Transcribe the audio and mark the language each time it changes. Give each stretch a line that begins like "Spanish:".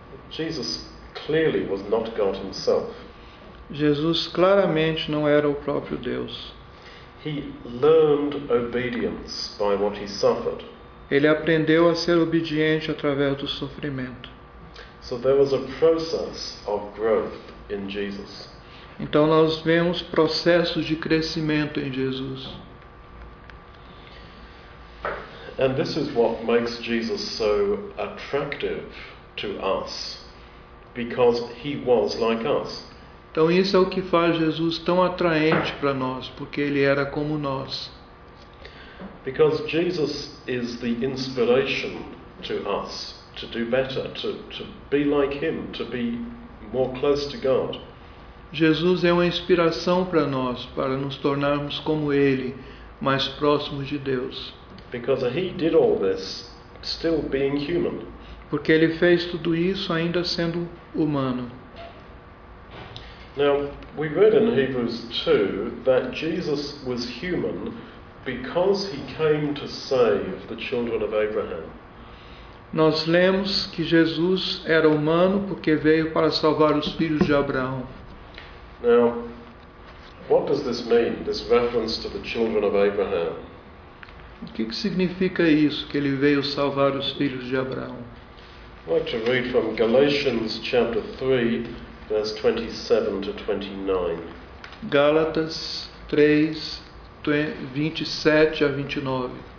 English: Jesus clearly was not God himself.
Portuguese: Jesus claramente não era o próprio Deus.
English: He learned obedience by what he suffered.
Portuguese: Ele aprendeu a ser obediente através do sofrimento.
English: So there was a process of growth in Jesus.
Portuguese: Então nós vemos processos de crescimento em Jesus.
English: And this is what makes Jesus so attractive to us, because he was like us.
Portuguese: Então isso é o que faz Jesus tão atraente para nós, porque ele era como nós.
English: Because Jesus is the inspiration to us to do better, to be like him, to be more close to God.
Portuguese: Jesus é uma inspiração para nós, para nos tornarmos como ele, mais próximos de Deus.
English: Because he did all this still being human.
Portuguese: Porque ele fez tudo isso ainda sendo humano.
English: Now, we read in Hebrews 2 that Jesus was human because he came to save the children of Abraham.
Portuguese: Nós lemos que Jesus era humano porque veio para salvar os filhos de Abraão.
English: Now, what does this mean, this reference to the children of Abraham?
Portuguese: O que significa isso, que ele veio salvar os filhos de Abraão?
English: I'd like to read from Galatians chapter 3, verse 27 to 29.
Portuguese: Gálatas 3, 27 a 29.